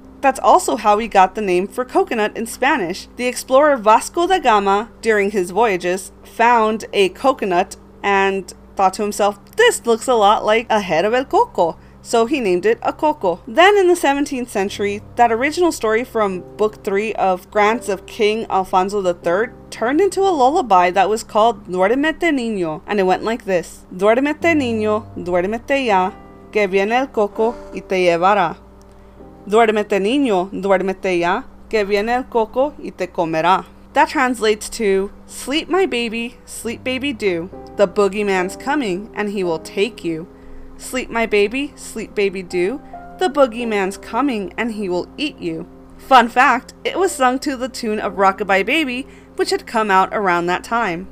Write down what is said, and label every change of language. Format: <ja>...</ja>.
<en>That's also how we got the name for coconut in Spanish. The explorer Vasco da Gama, during his voyages, found a coconut and thought to himself, this looks a lot like a head of El Coco, so he named it a coco. Then in the 17th century, that original story from Book 3 of Grants of King Alfonso III turned into a lullaby that was called Duérmete Niño, and it went like this.</en> <es>Duérmete Niño, duérmete ya, que viene el coco y te llevará. Duérmete Niño, duérmete ya, que viene el coco y te comerá.</es> <en>That translates to, sleep my baby, sleep baby do, the boogeyman's coming and he will take you. Sleep my baby, sleep baby do, the boogeyman's coming and he will eat you. Fun fact, it was sung to the tune of Rockabye Baby, which had come out around that time.</en>